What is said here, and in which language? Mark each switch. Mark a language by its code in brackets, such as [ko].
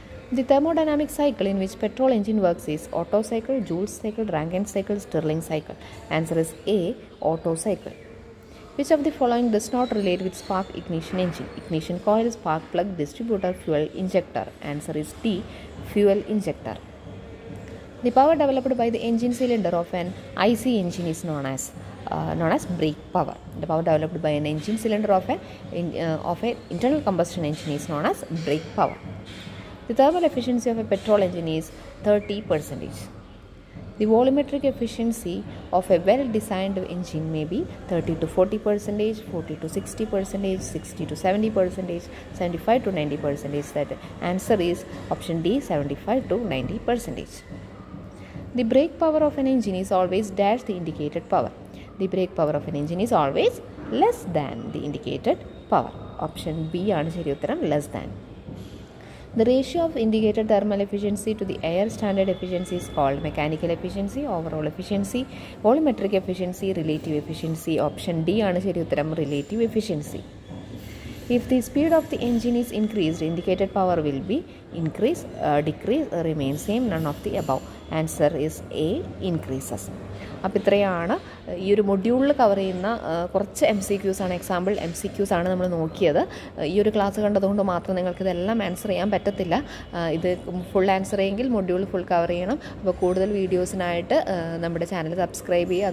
[en] The thermodynamic cycle in which petrol engine works is Otto cycle, Joule cycle, Rankine cycle, Stirling cycle. Answer is A, Otto cycle. Which of the following does not relate with spark ignition engine? Ignition coil, spark plug, distributor, fuel injector. Answer is D, fuel injector. The power developed by the engine cylinder of an I C engine is known as brake power. The power developed by an engine cylinder of a internal combustion engine is known as brake power. The thermal efficiency of a petrol engine is 30%. The volumetric efficiency of a well designed engine may be 30-40%, 40-60%, 60-70%, 75-90%. That answer is option D 75-90%. The brake power of an engine is always dash the indicated power. The brake power of an engine is always less than the indicated power. [ml] Option B ആണ് ശരി ഉത്തരം, [en] Less than. The ratio of indicated thermal efficiency to the air standard efficiency is called mechanical efficiency, overall efficiency, volumetric efficiency, relative efficiency. Option D [ml] ആണ് ശരി ഉത്തരം, [en] relative efficiency. If the speed of the engine is increased, indicated power will be increase, decrease, remain same, none of the above. Answer is A, increases. [ml] അപ്പോൾ ഇത്രയാണ് ഈ ഒരു മൊഡ്യൂളിൽ cover ചെയ്യുന്ന കുറച്ച് എം സി ക്യൂസ് ആണ്, എക്സാമ്പിൾ എം സി ക്യൂസ് ആണ് നമ്മൾ നോക്കിയത്. ഈ ഒരു ക്ലാസ് കണ്ടതുകൊണ്ട് മാത്രം നിങ്ങൾക്ക് ഇതെല്ലാം ആൻസർ ചെയ്യാൻ പറ്റത്തില്ല. ഇത് full answer ചെയ്യെങ്കിൽ module full cover ചെയ്യണം. അപ്പോൾ കൂടുതൽ വീഡിയോസിനായിട്ട് നമ്മുടെ ചാനൽ സബ്സ്ക്രൈബ് ചെയ്യുക.